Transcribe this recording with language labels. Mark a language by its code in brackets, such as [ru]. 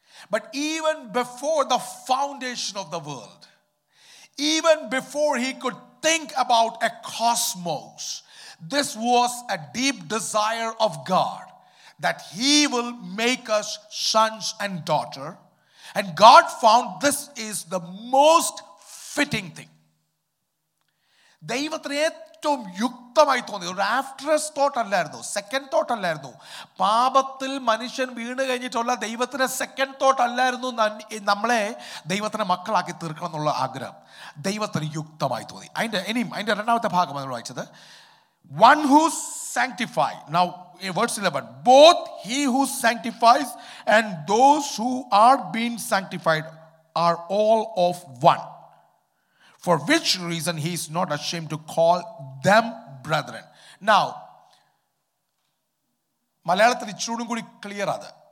[en] But even before the foundation of the world, even before he could think about a cosmos, this was a deep desire of God that he will make us sons and daughter. And God found this is the most fitting thing. [ml] ദൈവത്തിന് ഏറ്റവും യുക്തമായി തോന്നി. ഒരു after thought അല്ലായിരുന്നു, second thought അല്ലായിരുന്നു. പാപത്തിൽ മനുഷ്യൻ വീണ് കഴിഞ്ഞിട്ടുള്ള ദൈവത്തിന് സെക്കൻഡ് തോട്ട് അല്ലായിരുന്നു നമ്മളെ ദൈവത്തിന് മക്കളാക്കി തീർക്കണം എന്നുള്ള ആഗ്രഹം. ദൈവത്തിന് യുക്തമായി തോന്നി. അതിൻ്റെ ഇനിയും അതിൻ്റെ രണ്ടാമത്തെ ഭാഗം നമ്മൾ വായിച്ചത്, [en] One who sanctify. Now verse 11, both he who sanctifies and those who are been sanctified are all of one. For which reason he is not ashamed to call them brethren. [ml] Now, മലയാളത്തിൽ ഇച്ചിരി കൂടി clear ആണ്.